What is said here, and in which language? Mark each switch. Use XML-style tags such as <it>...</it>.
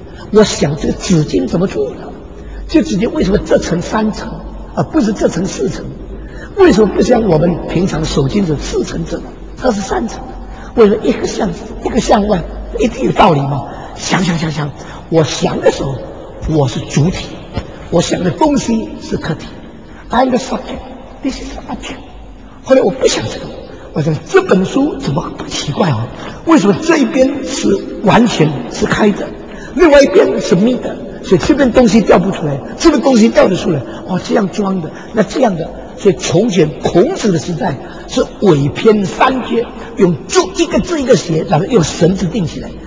<zh>我想这个纸巾怎么做的，这纸巾为什么这层三层而不是这层四层，为什么不像我们平常手巾是四层这种，它是三层，为什么一个向一个向外，一定有道理吗？想想想想，我想的时候我是主体，我想的东西是客体。</zh> <en>I'm the subject, this is the object。</en> <zh>后来我不想这个，我想这本书怎么不奇怪啊？为什么这一边是完全是开的，另外一边是密的，所以这边东西掉不出来，这边东西掉得出来，哦，这样装的，那这样的。所以从前孔子的时代是尾篇三阶，用竹一个字一个写，然后用绳子钉起来。</zh>